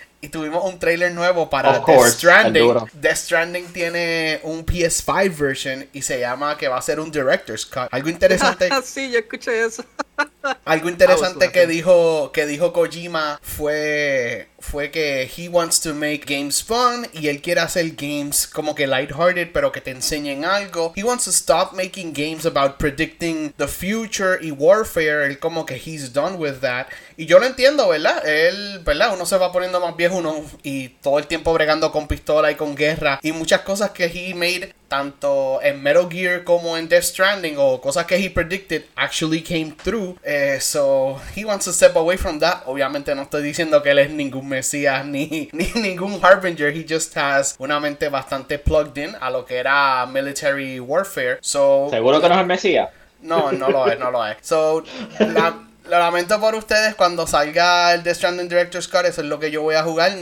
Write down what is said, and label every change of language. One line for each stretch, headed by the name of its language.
Spanish: Y tuvimos un trailer nuevo para Death Stranding. Death Stranding tiene un PS5 version y se llama que va a ser un Director's Cut. Algo interesante. Sí, yo escuché eso. Algo interesante que dijo Kojima fue que he wants to make games fun y él quiere hacer games como que lighthearted pero que te enseñen algo.
English: He wants to stop making games about predicting the future y warfare.
Spanish: Él como que
English: he's done with that.
Spanish: Y yo lo entiendo, ¿verdad? Él, ¿verdad? Uno se va poniendo más viejo, uno, y todo el tiempo bregando con pistola y con guerra. Y muchas cosas que
English: he made,
Spanish: tanto en Metal Gear como en Death Stranding, o cosas que
English: he predicted, actually came through. So, he wants to step away from that.
Spanish: Obviamente no estoy diciendo que él es ningún mesías ni ningún harbinger.
English: He just has
Spanish: una mente bastante
English: plugged in
Spanish: a lo que era
English: military warfare. So,
Spanish: ¿seguro que no es el mesías? No lo es. So, lo lamento por ustedes, cuando salga el Death Stranding Director's Cut, eso es lo que yo voy a jugar.